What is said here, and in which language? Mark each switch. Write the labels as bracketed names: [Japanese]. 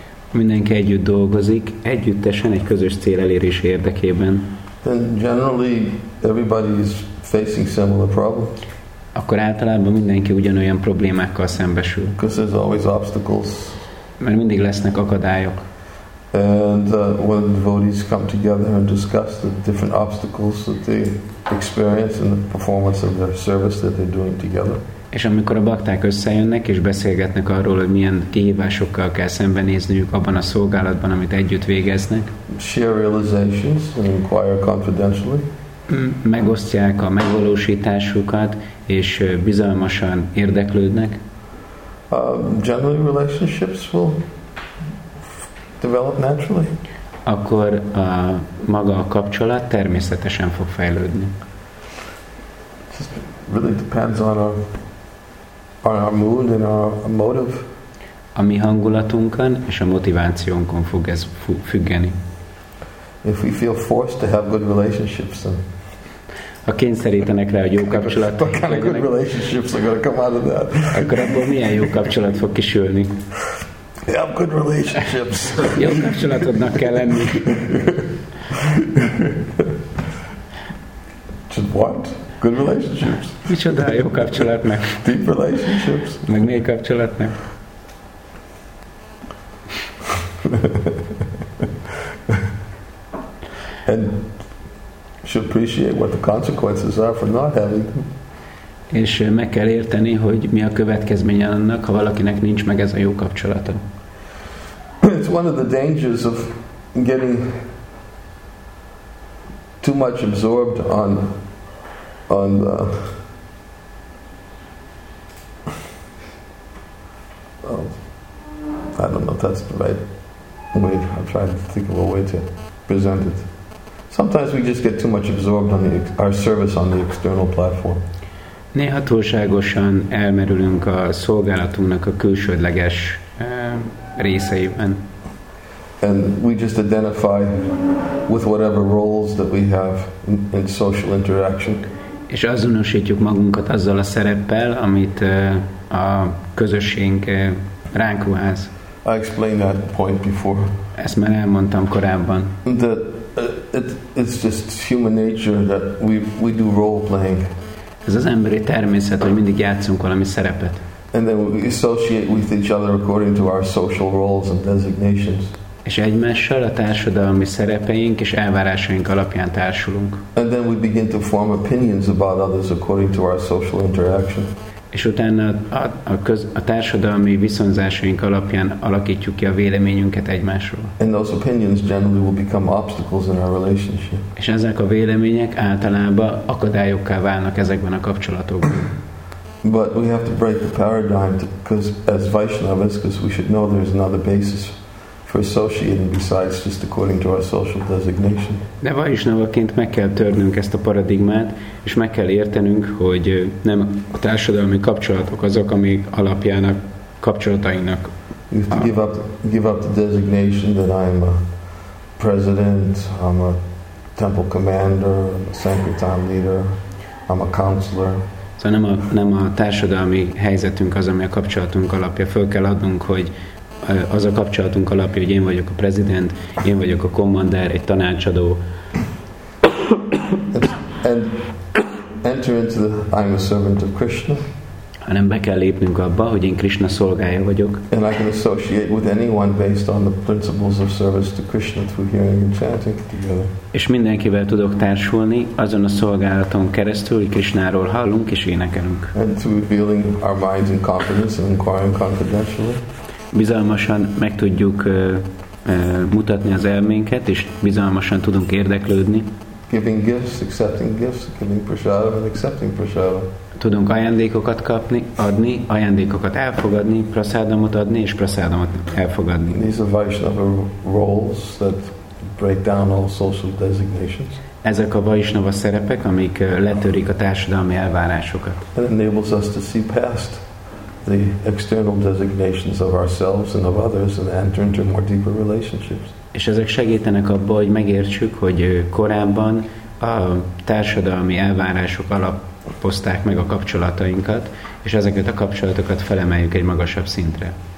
[Hungarian] Mindenki együtt dolgozik, együttesen egy közös cél elérése érdekében. [English] Then generally everybody is facing similar problems. [Hungarian] Akkor általában mindenki ugyanolyan problémákkal szembesül. [English] Because there's always obstacles. [Hungarian] Mert mindig lesznek akadályok. [English] And when devotees come together and discuss the different obstacles that they experience in the performance of their service that they're doing together. [Hungarian] És amikor a bakták összejönnek és beszélgetnek arról, hogy milyen kihívásokkal kell szembenézniük abban a szolgálatban, amit együtt végeznek. [English] Share realizations and inquire confidentially. [Hungarian] Megosztják a megvalósításukat és bizalmasan érdeklődnek. [English] Generally relationships will develop naturally. [Hungarian] Akkor a maga a kapcsolat természetesen fog fejlődni. [English] Just really depends on our mood and our motive. [Hungarian] A mi hangulatunkon és a motivációnkon fog ez függeni. [English] If we feel forced to have good relationships, then [Hungarian] ha kényszerítenek rá, hogy jó kapcsolat legyenek, akkor abból milyen jó kapcsolat fog kisülni? [English] Yeah, good relationships. [Hungarian] Jó kapcsolatodnak kell lenni. [English] What? Good relationships. [Hungarian] Micsoda jó kapcsolatnak? [English] Deep relationships. [Hungarian] Meg mély kapcsolatnak? [English] And should appreciate what the consequences are for not having them. [Hungarian] És meg kell érteni, hogy mi a következménye annak, ha valakinek nincs meg ez a jó kapcsolata. [English] It's one of the dangers of getting too much absorbed on I don't know if that's the right way. I'm trying to think of a way to present it. Sometimes we just get too much absorbed on our service on the external platform. [Hungarian] Néha túlságosan elmerülünk a szolgálatunknak a külsődleges részeiben. [English] And we just identify with whatever roles that we have in social interaction. [Hungarian] És azonosítjuk magunkat azzal a szereppel, amit a közösség ránk ruház. [English] I explained that point before. [Hungarian] Ezt már elmondtam korábban. [English] That it's just human nature that we do role playing. [Hungarian] Ez az emberi természet, hogy mindig játszunk valami szerepet. [English] And then we associate with each other according to our social roles and designations. [Hungarian] És egymással a társadalmi szerepeink és elvárásaink alapján társulunk. [English] And then we begin to form opinions about others according to our social interaction. [Hungarian] És utána a társadalmi viszonyzásaink alapján alakítjuk ki a véleményünket egymásról. [English] And those opinions generally will become obstacles in our relationship. [Hungarian] És ezek a vélemények általában akadályokká válnak ezekben a kapcsolatokban. [English] But we have to break the paradigm because as Vaishnavas, because we should know there is another basis for associating besides just according to our social designation. [Hungarian] De Vaishnavaként meg kell törnünk ezt a paradigmát, és meg kell értenünk, hogy nem a társadalmi kapcsolatok azok, amik alapján a kapcsolatainknak. [English] You have to give up the designation that I'm a president, I'm a temple commander, I'm a sankirtan leader, I'm a counselor. [Hungarian] Szóval nem a társadalmi helyzetünk az, ami a kapcsolatunk alapja. Föl kell adnunk, hogy az a kapcsolatunk alapja, hogy én vagyok a prezident, én vagyok a kommander, egy tanácsadó. [English] And enter into the I'm a servant of Krishna. [Hungarian] hanem be kell lépnünk abba, hogy én Krishna szolgája vagyok. [English] And I can associate with anyone based on the principles of service to Krishna through hearing and chanting together. [Hungarian] És mindenkivel tudok társulni azon a szolgálaton keresztül, hogy Krishnáról hallunk és énekelünk. [English] And through revealing our minds in confidence and inquiring confidentially. [Hungarian] Bizalmasan meg tudjuk mutatni az elménket, és bizalmasan tudunk érdeklődni. [English] Giving gifts, accepting gifts, giving prasadam and accepting prasadam. [Hungarian] Tudunk ajándékokat kapni, adni, ajándékokat elfogadni, prasadamot adni és prasadamot elfogadni. [English] These are Vaishnava roles that break down all social designations. [Hungarian] Ezek a Vaishnava szerepek, amik letörik a társadalmi elvárásokat. [English] It enables us to see past the external designations of ourselves and of others and enter into more deeper relationships. [Hungarian] És ezek segítenek abba, hogy megértsük, hogy korábban a társadalmi elvárások alap poszták meg a kapcsolatainkat, és ezeket a kapcsolatokat felemeljük egy magasabb szintre.